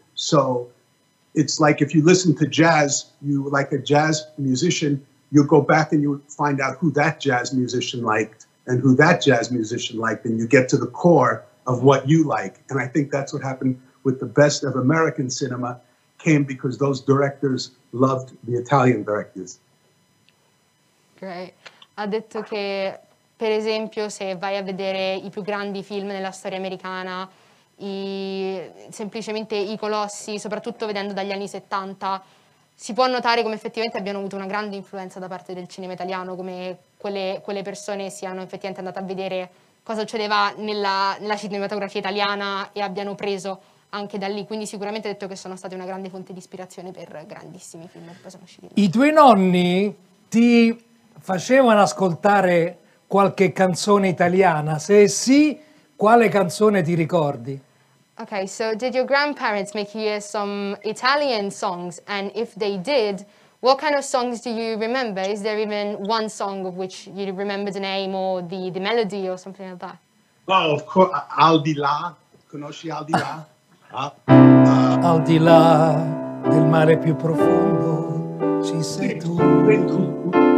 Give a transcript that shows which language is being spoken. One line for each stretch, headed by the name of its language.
English: So it's like if you listen to jazz, you like a jazz musician, you go back and you find out who that jazz musician liked and who that jazz musician liked, and you get to the core of what you like. And I think that's what happened with the best of American cinema, came because those directors loved the Italian directors. Great.
Italian: Ha detto che, per esempio, se vai a vedere i più grandi film nella storia americana, semplicemente i colossi, soprattutto vedendo dagli anni 70, si può notare come effettivamente abbiano avuto una grande influenza da parte del cinema italiano, come quelle persone siano effettivamente andate a vedere cosa succedeva nella cinematografia italiana e abbiano preso anche da lì. Quindi sicuramente detto che sono state una grande fonte di ispirazione per grandissimi film che poi sono usciti. I tuoi nonni ti facevano ascoltare qualche canzone italiana? Se sì, quale canzone ti ricordi?
English: Okay, so did your grandparents make you hear some Italian songs? And if they did, what kind of songs do you remember? Is there even one song of which you remember the name or the melody or something like that? Well, of course,
Italian: Al di là. Conosci Al di là? Al di là del mare più profondo ci sei tu.